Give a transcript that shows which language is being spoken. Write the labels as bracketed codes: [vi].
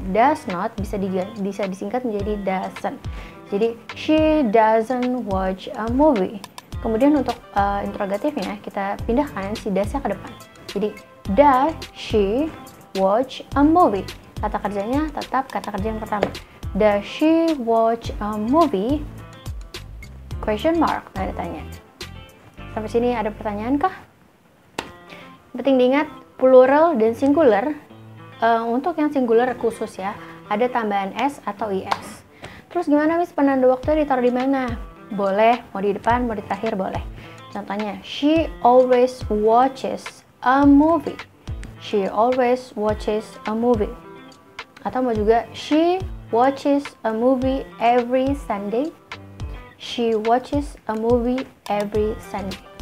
[id] Does not bisa disingkat menjadi doesn't. Jadi [en] she doesn't watch a movie. [id] Kemudian untuk interrogatifnya kita pindahkan si does-nya ke depan. [en] Jadi does she watch a movie? [id] Kata kerjanya tetap kata kerja yang pertama. [en] Does she watch a movie? Question mark, [id] tanda tanya. Sampai sini ada pertanyaan kah? Penting diingat plural dan singular. Untuk yang singular khusus ya, ada tambahan s atau is. Terus gimana Miss, penanda waktu ditaruh di mana? Boleh, mau di depan, mau di terakhir, boleh. [en] Contohnya, she always watches a movie. She always watches a movie. [id] Atau mau juga, [en] she watches a movie every Sunday. She watches a movie every Sunday.